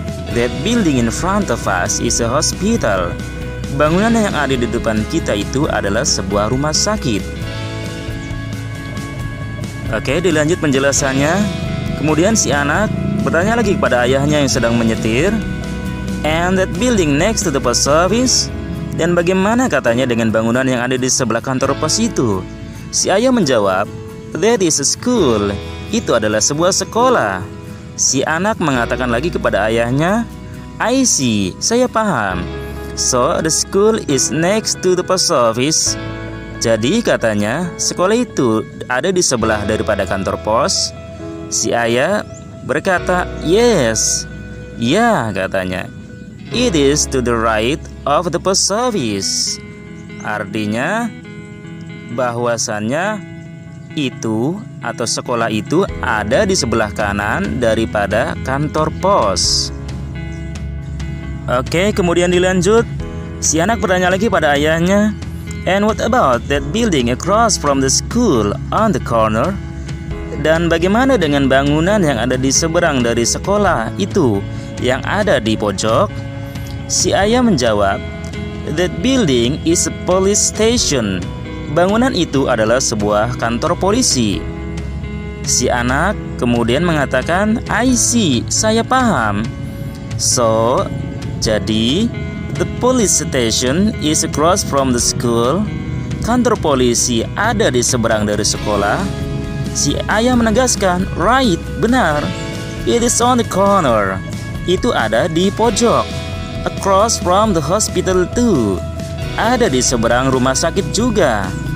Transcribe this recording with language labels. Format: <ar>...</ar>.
<en>That building in front of us is a hospital.</en> <id>Bangunan yang ada di depan kita itu adalah sebuah rumah sakit. Oke, dilanjut penjelasannya. Kemudian si anak bertanya lagi kepada ayahnya yang sedang menyetir,</id> <en>and that building next to the post office?</en> <id>Dan bagaimana katanya dengan bangunan yang ada di sebelah kantor pos itu? Si ayah menjawab,</id> <en>that is a school.</en> <id>Itu adalah sebuah sekolah. Si anak mengatakan lagi kepada ayahnya,</id> <en>I see,</en> <id>saya paham.</id> <en>So, the school is next to the post office.</en> <id>Jadi katanya, sekolah itu ada di sebelah daripada kantor pos. Si ayah berkata,</id> <en>yes.</en> <id>Ya, katanya,</id> <en>it is to the right of the post office.</en> <id>Artinya, bahwasannya itu atau sekolah itu ada di sebelah kanan daripada kantor pos. Oke, kemudian dilanjut. Si anak bertanya lagi pada ayahnya,</id> <en>and what about that building across from the school on the corner?</en> <id>Dan bagaimana dengan bangunan yang ada di seberang dari sekolah itu yang ada di pojok? Si ayah menjawab,</id> <en>that building is a police station.</en> <id>Bangunan itu adalah sebuah kantor polisi. Si anak kemudian mengatakan,</id> <en>I see,</en> <id>saya paham.</id> <en>So, jadi, the police station is across from the school.</en> <id>Kantor polisi ada di seberang dari sekolah. Si ayah menegaskan,</id> <en>right,</en> <id>benar.</id> <en>It is on the corner.</en> <id>Itu ada di pojok.</id> <en>Across from the hospital too.</en> <id>Ada di seberang rumah sakit juga.</id>